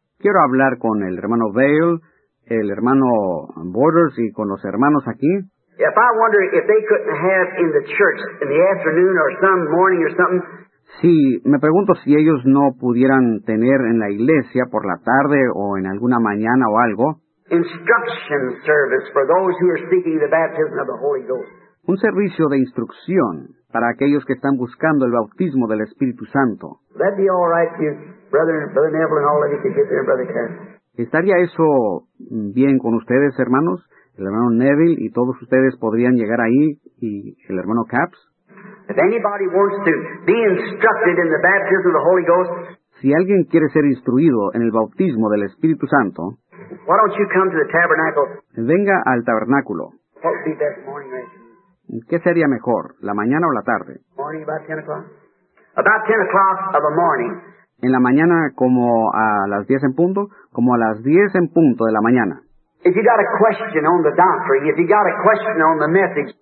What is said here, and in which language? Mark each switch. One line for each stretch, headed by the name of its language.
Spanish: Quiero hablar con el hermano Vail, el hermano Borders, y con los hermanos aquí.
English: If I wonder if they couldn't have in the church in the afternoon or some morning or something.
Spanish: Sí, me pregunto si ellos no pudieran tener en la iglesia por la tarde o en alguna mañana o algo.
English: Instruction service for those who are seeking the baptism of the Holy Ghost.
Spanish: Un servicio de instrucción para aquellos que están buscando el bautismo del Espíritu Santo.
English: That'd be all right, you, brother Neville and all of you could get there, Brother Cass.
Spanish: ¿Estaría eso bien con ustedes, hermanos? El hermano Neville y todos ustedes podrían llegar ahí y el hermano Caps.
English: If anybody wants to be instructed in the baptism of the Holy Ghost,
Spanish: si alguien quiere ser instruido en el bautismo del Espíritu Santo,
English: why don't you come to the tabernacle?
Spanish: Venga al tabernáculo.
English: What would be best, morning or evening?
Spanish: ¿Qué sería mejor, la mañana o la tarde?
English: Morning, about 10 o'clock. About 10 o'clock of a morning.
Spanish: En la mañana, como a las 10 en punto, como a las 10 en punto de la mañana.
English: If you got a question on the doctrine, if you got a question on the message,